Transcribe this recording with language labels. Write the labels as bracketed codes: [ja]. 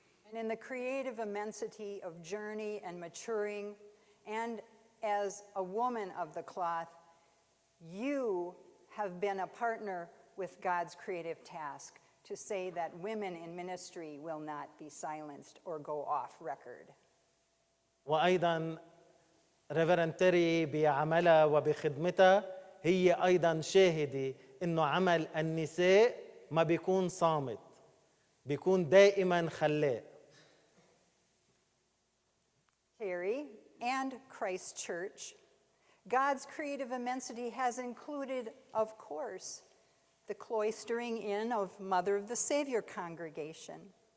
[en] And in the creative immensity of journey and maturing and as a woman of the cloth, you have been a partner with God's creative task to say that women in ministry will not be silenced or go off record. [ar] وأيضا ريفرنت تيري بعملها وبخدمتها هي أيضا شاهدة إنه عمل النساء ما بيكون صامت بيكون دائما خلاق. [en] Terri and Christ Church, God's creative immensity has included, of course, the cloistering in of Mother of the Savior congregation.